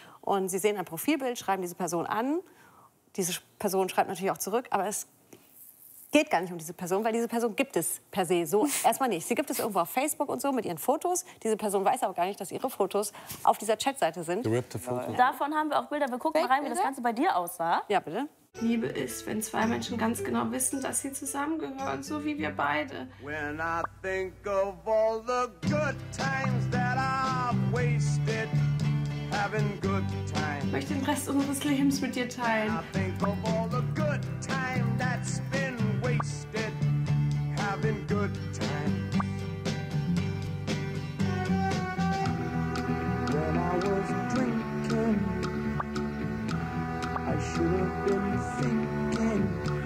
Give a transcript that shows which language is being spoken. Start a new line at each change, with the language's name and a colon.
German: Und sie sehen ein Profilbild, schreiben diese Person an. Diese Person schreibt natürlich auch zurück, aber es geht gar nicht um diese Person, weil diese Person gibt es per se so erstmal nicht. Sie gibt es irgendwo auf Facebook und so mit ihren Fotos. Diese Person weiß aber gar nicht, dass ihre Fotos auf dieser Chatseite sind. Davon haben wir auch Bilder. Wir gucken rein, wie das Ganze bei dir aussah. Ja, bitte. Liebe ist, wenn zwei Menschen ganz genau wissen, dass sie zusammengehören, so wie wir beide.
English: When I think of all the good times that I've wasted, having good times.
German: Ich möchte den Rest unseres Lebens mit dir teilen.
English: When I think of all the good times that's been wasted, having good times. When I was drinking, I should have been thinking.